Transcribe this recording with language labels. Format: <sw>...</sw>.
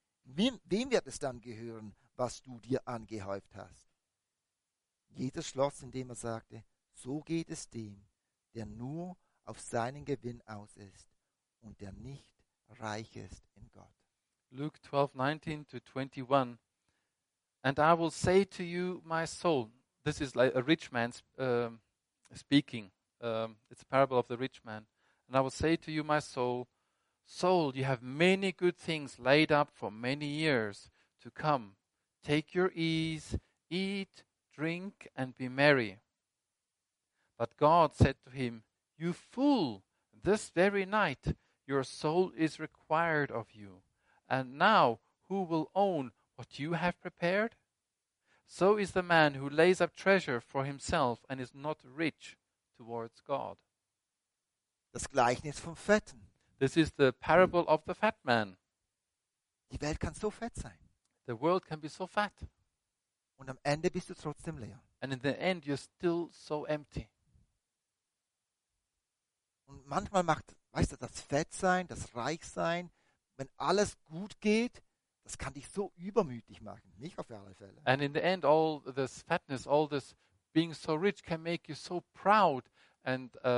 <de>Wem wird es dann gehören, was du dir angehäuft hast? Jesus schloss, indem er sagte, so geht es dem, der nur auf seinen Gewinn aus ist und der nicht reich ist in Gott.</de> <en>Luke 12:19-21. And I will say to you, my soul. This is like a rich man speaking. It's a parable of the rich man. And I will say to you, my soul, soul, you have many good things laid up for many years to come. Take your ease, eat, drink, and be merry. But God said to him, you fool, this very night your soul is required of you. And now who will own what you have prepared? So is the man who lays up treasure for himself and is not rich towards God.</en> <de>Das Gleichnis vom Fetten.</de> <en>This is the parable of the fat man.</en> <de>Die Welt kann so fett sein.</de> <en>The world can be so fat.</en> <de>Und am Ende bist du trotzdem leer.</de> <en>And in the end you're still so empty.</en> <de>Und manchmal macht, weißt du, das Fettsein, das Reichsein, wenn alles gut geht, das kann dich so übermütig machen, nicht auf alle Fälle.</de> <en>And in the end all this fatness, all this being so rich can make you so proud and</en>